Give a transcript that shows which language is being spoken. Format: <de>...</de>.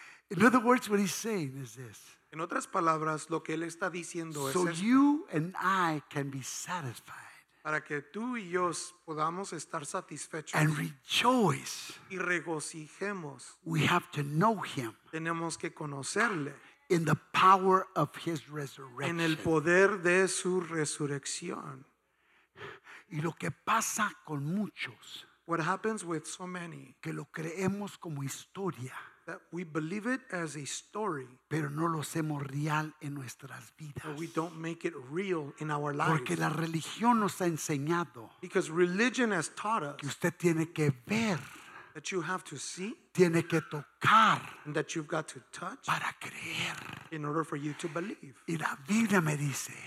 <en>In other words, what he's saying is this.</en> <es>En otras palabras, lo que él está diciendo es esto.</es> <en>So you and I can be satisfied.</en> <es>Para que tú y yo podamos estar satisfechos.</es> <en>And rejoice.</en> <es>Y regocijemos.</es> <en>We have to know him.</en> <es>Tenemos que conocerle.</es> <en>In the power of his resurrection.</en> <es>En el poder de su resurrección. Y lo que pasa con muchos.</es> <en>What happens with so many.</en> <es>Que lo creemos como historia.</es> <en>That we believe it as a story.</en> <es>Pero no lo hacemos real en nuestras vidas.</es> <en>But we don't make it real in our lives.</en> <es>Porque la religión nos ha enseñado.</es> <en>Because religion has taught us.</en> <es>Que usted tiene que ver.</es> <en>That you have to see.</en> <es>Tiene que tocar.</es> <en>And that you've got to touch.</en> <es>Para creer.</es> <en>In order for you to believe.</en> <es>Y la Biblia me dice.</es>